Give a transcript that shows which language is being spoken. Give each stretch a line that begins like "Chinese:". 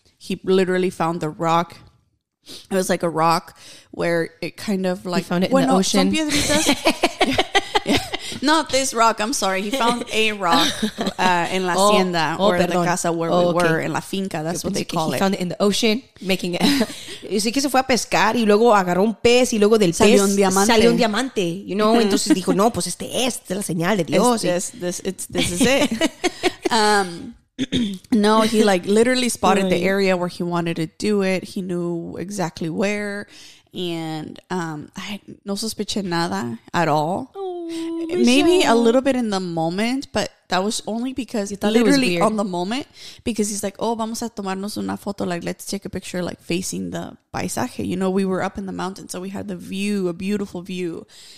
English: He literally found the rock. It was like a rock where it kind of like... He found it in the ocean. Some Piedritas. Yeah. Not this rock. I'm sorry. He found a rock in La Hacienda, or the casa where we were, okay. in La Finca. That's what they call it. He found it in the ocean, making it.
Spanish: Y sí que se fue a pescar y luego agarró un pez y luego del salió pez un diamante. Salió un diamante.
English: You know?
Spanish: Entonces dijo, no, pues este es la señal de Dios.
English: This is it. No, he like literally spotted the area where he wanted to do it. He knew exactly where. And I
Spanish: no sospeché nada
English: at all. Oh, maybe a little bit in the moment, but that was only because literally on the moment, because he's like, oh,
Spanish: vamos a tomarnos una foto,
English: like let's take a picture like facing the paisaje, you know, we were up in the mountain, so we had the view, a beautiful view.